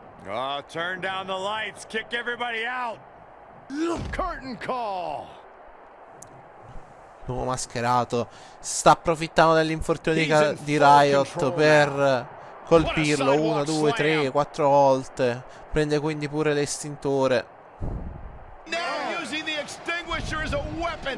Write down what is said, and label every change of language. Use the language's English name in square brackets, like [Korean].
[English] Oh, turn down the lights, kick everybody out. Curtain call. [Italian] L'uomo mascherato sta approfittando dell'infortunio di Riot per colpirlo 1, 2, 3, 4 volte. Prende quindi pure l'estintore. [English] Now using the extinguisher as a weapon.